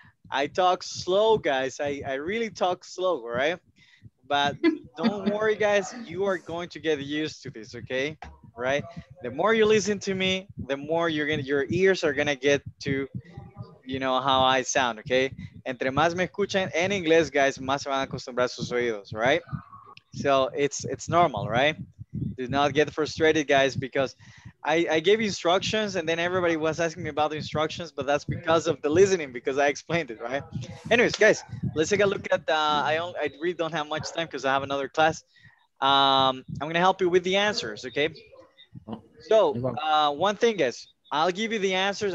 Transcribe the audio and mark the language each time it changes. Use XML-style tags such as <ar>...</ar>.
<en>I talk slow, guys. I really talk slow, right? But don't worry, guys. You are going to get used to this, okay? Right? The more you listen to me, the more your ears are going to get to, you know, how I sound, okay?</en> <es>Entre más me escuchan en inglés, guys, más se van a acostumbrar sus oídos, right?</es> <en>So it's normal, right? Do not get frustrated, guys, because I gave instructions and then everybody was asking me about the instructions, but that's because of the listening, because I explained it, right? Anyways, guys, let's take a look at, I really don't have much time because I have another class. I'm going to help you with the answers, okay? So one thing is, I'll give you the answers.</en>